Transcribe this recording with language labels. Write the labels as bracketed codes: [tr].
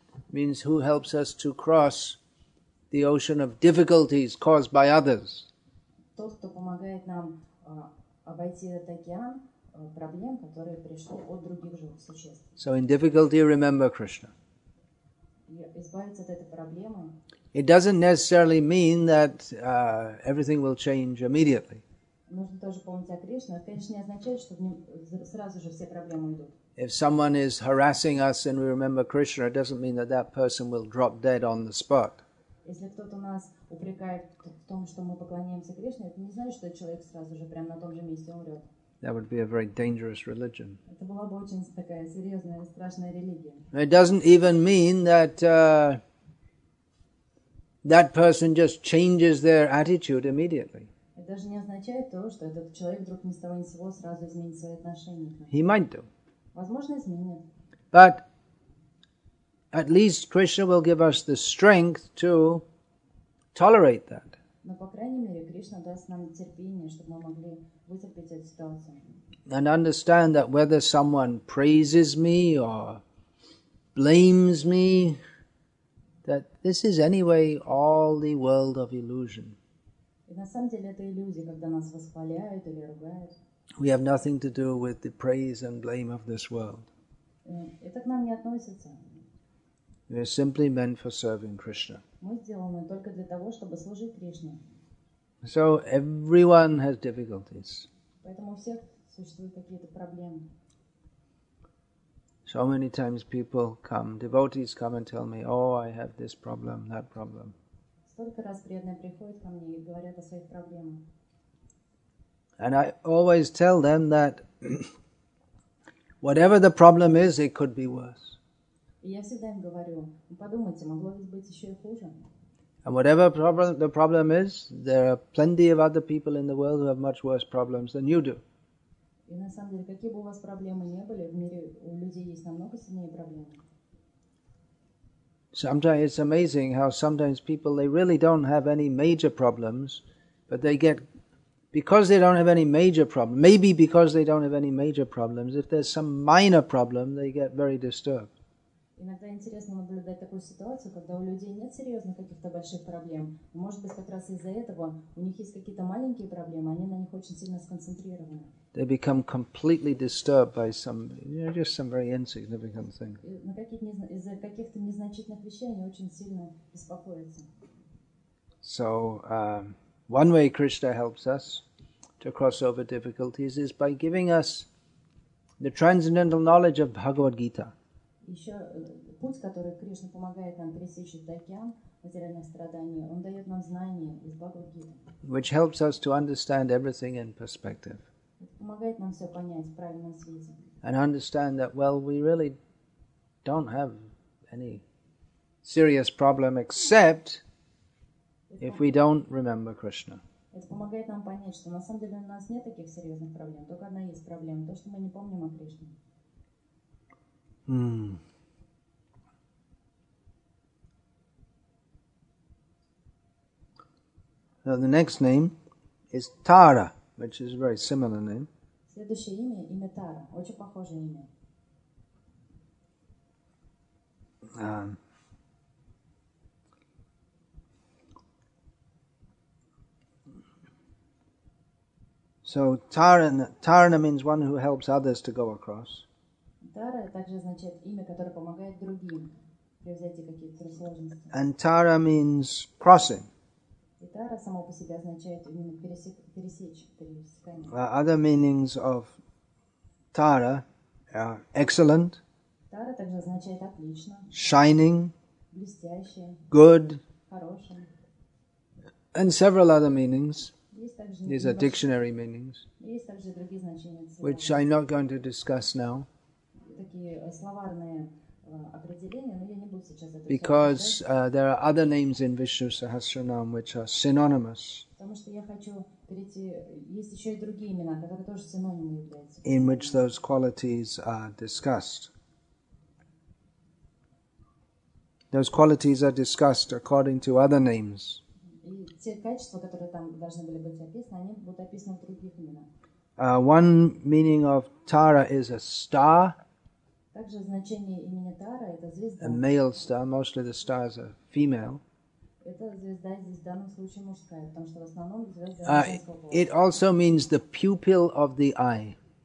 [en] Means who helps us to cross the ocean of difficulties caused by others. [ru] Тот, кто помогает нам обойти этот океан проблем, которые пришли от других живых существ. [en] So in difficulty, remember Krishna. [ru] Избавиться от этой проблемы. [en] It doesn't necessarily mean that everything will change immediately. [ru] Нужно тоже помнить о Кришне. Это, конечно, не означает, что сразу же все проблемы уйдут. [en] If someone is harassing us and we remember Krishna, it doesn't mean that that person will drop dead on the spot. [ru] Если кто-то нас упрекает в том, что мы поклоняемся Кришне, это не значит, что человек сразу же прямо на том же месте умрет. [en] That would be a very dangerous religion. [ru] Это была бы очень такая серьезная, страшная религия. [en] It doesn't even mean that that person just changes their attitude immediately. [ru] Это даже не означает то, что этот человек вдруг ни с того ни с сего сразу изменит свои отношения к нам. [en] He might do. [ru] Возможно, [en] but at least Krishna will give us the strength to tolerate that. [ru] Но, по крайней мере, Кришна даст нам терпение, чтобы мы могли вытерпеть эту ситуацию. [en] And understand that whether someone praises me or blames me, that this is anyway all the world of illusion. [ru] И на самом деле это иллюзия, когда нас восхваляют или ругают. [en] We have nothing to do with the praise and blame of this world. [ru] Это к нам не относится. [en] We are simply meant for serving Krishna. [ru] Мы сделаны только для того, чтобы служить Кришне. [en] So everyone has difficulties. [ru] Поэтому у всех существуют какие-то проблемы. [en] So many times people come, devotees come and tell me, oh, I have this problem, that problem. [ru] Столько раз преданные приходят ко мне и говорят о своих проблемах. [en] And I always tell them that whatever the problem is, it could be worse. [ru] Я всегда им говорю, подумайте, могло ведь быть еще и хуже. [en] And whatever the problem is, there are plenty of other people in the world who have much worse problems than you do. [ru] И на самом деле, какие бы у вас проблемы ни были, в мире у людей есть намного сильнее проблемы. [en] Sometimes it's amazing how sometimes people, they really don't have any major problems, but they get, because they don't have any major problems, maybe because they don't have any major problems, if there's some minor problem, they get very disturbed. [ru] Иногда интересно наблюдать такую ситуацию, когда у людей нет серьезных каких-то больших проблем. Может быть, как раз из-за этого у них есть какие-то маленькие проблемы, они на них очень сильно сконцентрированы. [en] They become completely disturbed by some, you know, just some very insignificant thing. [ru] Из-за каких-то незначительных вещей они очень сильно беспокоятся. [en] So, one way Krishna helps us to cross over difficulties is by giving us the transcendental knowledge of Bhagavad Gita. [ru] Еще путь, который Кришна помогает нам пересечь этот океан материальных страданий, он дает нам знания из Бхагавад-гиты. [en] Which helps us to understand everything in perspective. [ru] Это помогает нам все понять в правильном свете. [en] And understand that, well, we really don't have any serious problem except if we don't remember Krishna. [ru] Это помогает нам понять, что на самом деле у нас нет таких серьезных проблем, только одна есть проблема, то, что мы не помним о Кришне. [en] Now the next name is Tara, which is a very similar name. [ru] Следующее имя, имя Тара, очень похожее имя. [en] So Tarana means one who helps others to go across. [ru] Тара также означает имя, которое помогает другим преодолеть какие-то сложности. [en] And Tara means crossing. [ru] И Тара само по себе означает именно пересечь. [en] Other meanings of Tara are excellent. [ru] Тара также означает отлично. [en] Shining. [ru] Блестящее. [en] Good. [ru] Хорошим. [en] And several other meanings. [ru] Есть также [en] These are dictionary meanings. [ru] Есть также другие значения. [en] Which I'm not going to discuss now. [ru] Такие словарные определения, но я не буду сейчас это [en] Because there are other names in Vishnu Sahasranam which are synonymous. [ru] Потому что я хочу перейти, есть еще и другие имена, которые тоже синонимы являются. [en] In which those qualities are discussed. Those qualities are discussed according to other names. [ru] И те качества, которые там должны были быть описаны, они будут описаны в других именах. [en] One meaning of Tara is a star. [ru] Также значение имени Тара это звезда. [en] A male star, mostly the stars are female. [ru] Это звезда здесь в данном случае мужская, потому что в основном звезды женского пола. [en] It also means the pupil of the eye.